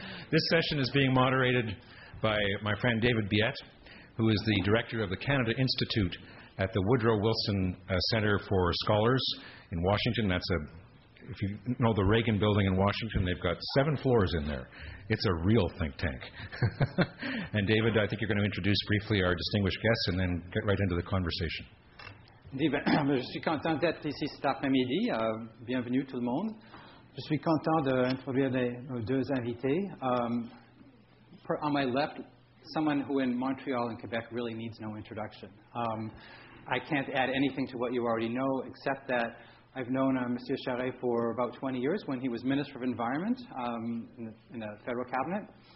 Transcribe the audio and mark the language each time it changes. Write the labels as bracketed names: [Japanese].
[English] This session is being moderated by my friend David Biette, who is the director of the Canada Institute at the Woodrow Wilson Center for Scholars in Washington. That's a If you know the Reagan Building in Washington, they've got 7 floors in there. It's a real think tank. And David, I think you're going to introduce briefly our distinguished guests and then get right into the conversation. [French] Je suis content d'être ici cet après-midi. Bienvenue tout le monde. Je suis content d'introduire nos deux invités. [English] On my left, someone who in Montreal and Quebec really needs no introduction. I can't add anything to what you already know, except that I've known Monsieur Charest for about 20 years when he was Minister of Environment in the federal cabinet.